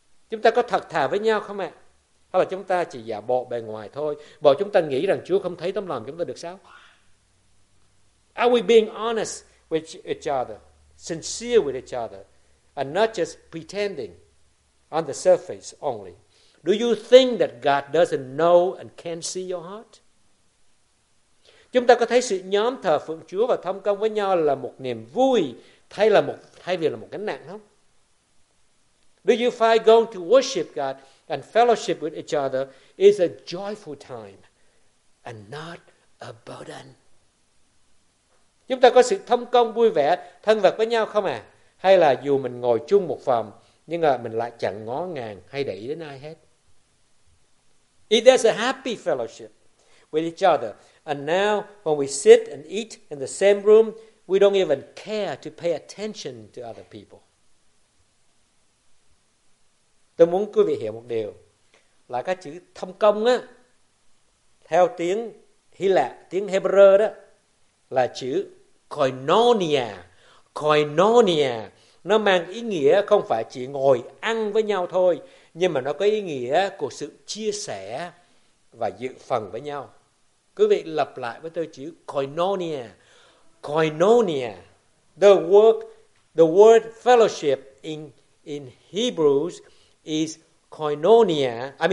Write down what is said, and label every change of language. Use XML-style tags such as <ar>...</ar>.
<vi>Chúng ta có thật thà với nhau không ạ? Hay là chúng ta chỉ giả bộ bề ngoài thôi? Bộ chúng ta nghĩ rằng Chúa không thấy tấm lòng chúng ta được sao?</vi> <en>Are we being honest with each other, sincere with each other, and not just pretending on the surface only? Do you think that God doesn't know and can see your heart?</en> <vi>Chúng ta có thấy sự nhóm thờ phượng Chúa và thông công với nhau là một niềm vui thay vì là một gánh nặng không?</vi> <en>Do you find going to worship God and fellowship with each other is a joyful time and not a burden?</en> <vi>Chúng ta có sự thông công vui vẻ, thân vật với nhau không à? Hay là dù mình ngồi chung một phòng, nhưng mà mình lại chẳng ngó ngàng hay để ý đến ai hết?</vi> <en>If there's a happy fellowship with each other, and now when we sit and eat in the same room, we don't even care to pay attention to other people.</en> <vi>Tôi muốn quý vị hiểu một điều, là cái chữ thông công á, theo tiếng Hy Lạp, tiếng Hebrew đó, là chữ koinonia. Koinonia nó mang ý nghĩa không phải chỉ ngồi ăn với nhau thôi, nhưng mà nó có ý nghĩa của sự chia sẻ và dự phần với nhau. Quý vị lặp lại với tôi chữ koinonia.</vi> <en>Koinonia, the word fellowship in Hebrews is koinonia.</en>